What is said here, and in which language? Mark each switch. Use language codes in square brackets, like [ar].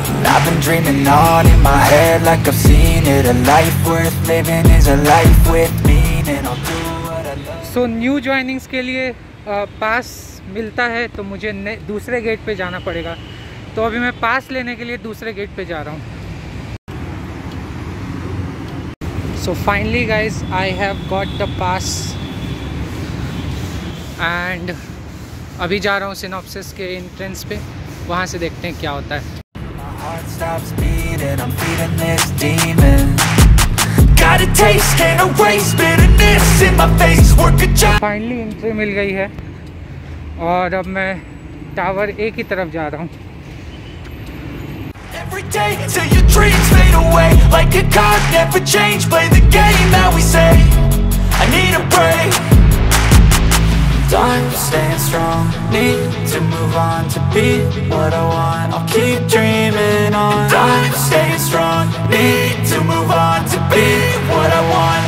[en] I've been dreaming on in my head like I've seen it. A life worth living is a life with meaning. I'll do what I love. [hi] So new joinings के लिए pass मिलता है तो मुझे दूसरे gate पे जाना पड़ेगा. तो अभी मैं pass लेने के लिए दूसरे gate पे जा रहा हूँ. [en] So finally guys, I have got the pass and [hi] अभी जा रहा हूँ Synopsys के entrance पे, वहाँ से देखते हैं क्या होता है. [en] Stops beating, I'm feeding this demon. Got a taste, can't erase bitterness in my face. Work a job. [hi] Finally entry मिल गई है और अब मैं टावर ए की तरफ जा रहा हूँ. [en] Every day till your dreams fade away. Like a card, never change. Play the game that we say. I need a break. I'm staying strong, need to move on to be what I want. I'll keep dreaming on. I'm staying strong, need to move on to be what I want.